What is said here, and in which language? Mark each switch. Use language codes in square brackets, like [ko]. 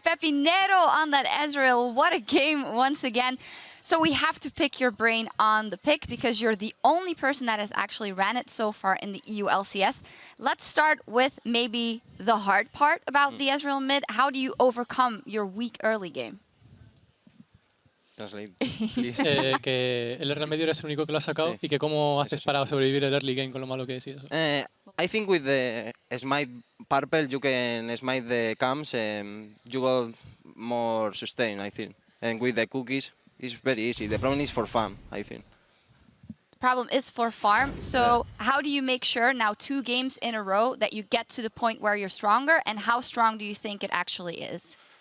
[en] Pepe, Nero on that Ezreal. What a game once again. So we have to pick your brain on the pick because you're the only person that has actually ran it so far in the EU LCS. Let's start with maybe the hard part about the Ezreal mid. How do you overcome your weak early game? [es] Que el remedio es el único que lo ha sacado sí. Y que cómo haces para sobrevivir el early game con lo malo que es eso. [en] I think with the smite purple you can smite the camps and you got more sustain, I think. And with the cookies it's very easy. The problem is for farm, I think. The problem is for farm. So how do you make sure now two games in a row that you get to the point where you're stronger, and how strong do you think it actually is?